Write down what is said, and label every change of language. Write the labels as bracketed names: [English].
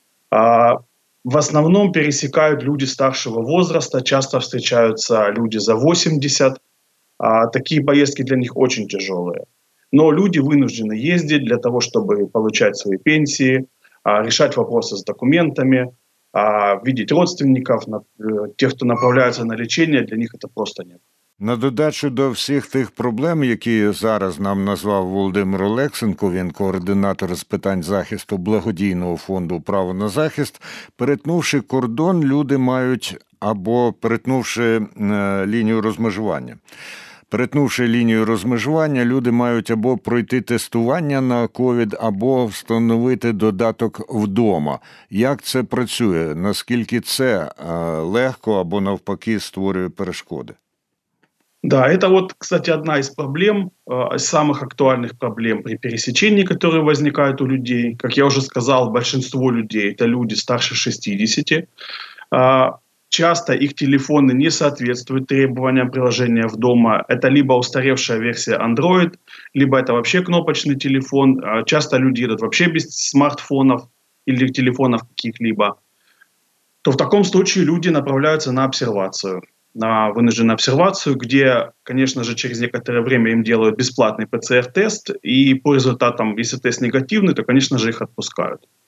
[Russian] В основном пересекают люди старшего возраста, часто встречаются люди за 80. Такие поездки для них очень тяжелые. Но люди вынуждены ездить для того, чтобы получать свои пенсии, решать вопросы с документами, видеть родственников, тех, кто направляется на лечение, для них это просто нет. [Ukrainian] На додачу до всіх тих проблем, які зараз нам назвав Володимир Олексенко, він координатор з питань захисту благодійного фонду «Право на захист», перетнувши кордон, люди мають, або перетнувши лінію розмежування. Перетнувши лінію розмежування, люди мають або пройти тестування на ковід, або встановити додаток вдома. Як це працює? Наскільки це легко або навпаки створює перешкоди? [Russian] Да, это вот, кстати, одна из проблем, самых актуальных проблем при пересечении, которые возникают у людей. Как я уже сказал, большинство людей – это люди старше 60. Часто их телефоны не соответствуют требованиям приложения «Вдома». Это либо устаревшая версия Android, либо это вообще кнопочный телефон. Часто люди едут вообще без смартфонов или телефонов каких-либо. То в таком случае люди направляются на обсервацию. На вынужденную обсервацию, где, конечно же, через некоторое время им делают бесплатный ПЦР-тест. И по результатам, если тест негативный, то, конечно же, их отпускают.